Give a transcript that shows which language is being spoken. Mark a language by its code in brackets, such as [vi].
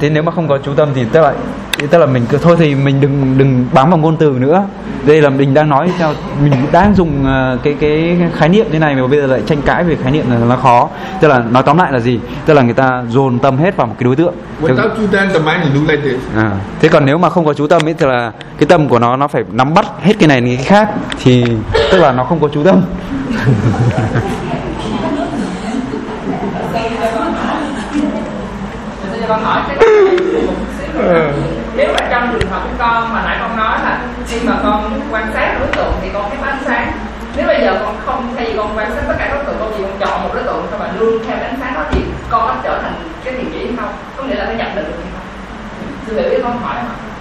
[vi] Thế nếu mà không có chú tâm thì tức là mình cứ thôi thì mình đừng bám vào ngôn từ nữa. Đây là mình đang nói cho mình đang dùng cái khái niệm thế này mà bây giờ lại tranh cãi về khái niệm là nó khó. Tức là nói tóm lại là gì? Tức là người ta dồn tâm hết vào một cái đối tượng. [en] Without chú tâm, the mind will look like this. [vi] Thế còn nếu mà không có chú tâm ấy thì là cái tâm của nó phải nắm bắt hết cái này đến cái khác thì tức là nó không có chú tâm. Nếu mà trong trường hợp của con mà nãy con nói là khi mà con quan sát đối tượng thì con thấy có ánh sáng, nếu bây giờ con không thay vì con quan sát tất cả đối tượng, con chỉ còn chọn một đối tượng thôi mà luôn theo ánh sáng đó thì con có trở thành cái thiện chỉ hay không, có nghĩa là nó nhập định được hay không? Sư thầy biết con hỏi không?